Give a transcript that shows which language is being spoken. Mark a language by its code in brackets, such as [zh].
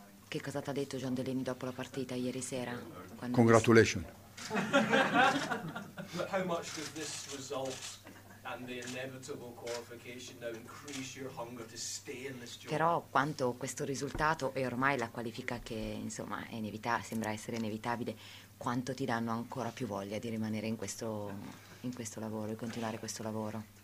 [it] Che cosa ti ha detto John Delaney dopo la partita ieri sera? [en] Congratulations. How much does this result and the inevitable qualification now increase your hunger to stay in this job? [it] Però quanto questo risultato e ormai la qualifica che insomma è sembra essere inevitabile, quanto ti danno ancora più voglia di rimanere in questo lavoro e continuare questo lavoro?